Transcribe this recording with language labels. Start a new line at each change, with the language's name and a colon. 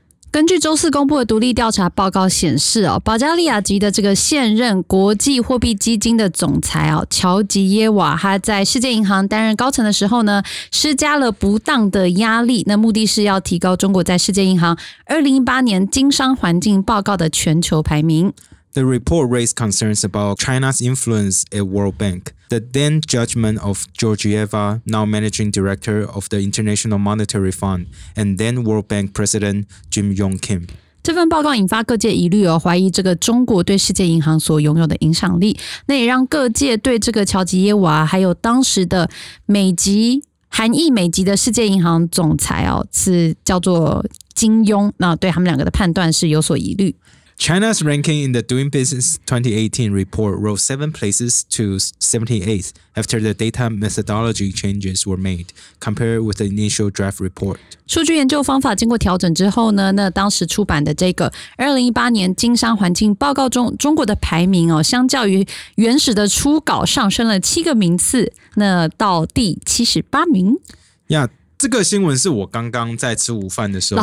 Chinese: 根据周四公布的独立调查报告显示，保加利亚籍的这个现任国际货币基金的总裁乔吉耶瓦，他在世界银行担任高层的时候呢，施加了不当的压力，那目的是要提高中国在世界银行2018年经商环境报告的全球排名。
English: The report raised concerns about China's influence at World Bank. The then judgment of Georgieva, now managing director of the International Monetary Fund, and then World Bank president Jim Yong Kim.
Chinese: 这份报告引发各界疑虑，怀疑这个中国对世界银行所拥有的影响力。那也让各界对这个乔吉耶娃，还有当时的美籍韩裔美籍的世界银行总裁是叫做金庸，那对他们两个的判断是有所疑虑。
English: China's ranking in the Doing Business 2018 report rose 7 places to 78th after the data methodology changes were made, compared with the initial draft report.
Chinese: 数据研究方法经过调整之后呢，那当时出版的这个2018年经商环境报告中，中国的排名相较于原始的初稿上升了7个名次，那到第78名。 Yeah, 这个新闻是我刚刚在吃午饭的时候，